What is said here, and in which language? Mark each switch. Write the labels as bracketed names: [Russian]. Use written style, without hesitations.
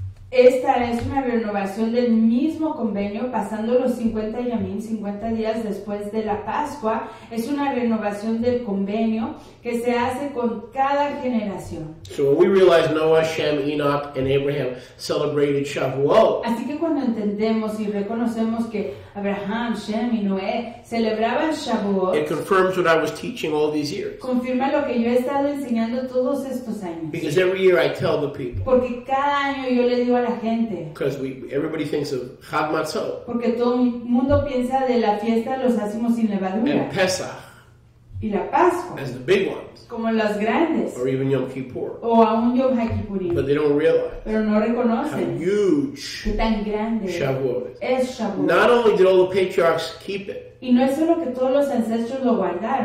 [Spanish] Esta es una renovación del mismo convenio, pasando los 50 yamín, 50 días después de la Pascua. Es una renovación del convenio que se hace con cada generación. [English] So when we realize Noah, Shem, Enoch, and Abraham celebrated Shavuot, [Spanish] así que cuando entendemos y reconocemos que Abraham, Shem y Noé celebraban Shavuot, [English] it confirms what I was teaching all these years. [Spanish] Confirma lo que yo he estado enseñando todos estos años. [English] Because every year I tell the people. [Spanish] Porque cada año yo le digo a la gente. [English] Because everybody thinks of Chag Matzot. [Spanish] Porque todo el mundo piensa de la fiesta de los ácimos sin levadura. [English] And Pesach. [Spanish] Y la Pascua. [English] As the big ones. [Spanish] Como las grandes. [English] Or even Yom Kippur. [Spanish] O aún Yom HaKippurim. [English] But they don't realize. [Spanish] Pero no reconocen. [English] How huge. [Spanish] Que tan grande. [English] Shavuot. [Spanish] Es Shavuot. [English] Not only did all the patriarchs keep it. [Spanish] Y no es solo que todos los ancestros lo guardaron.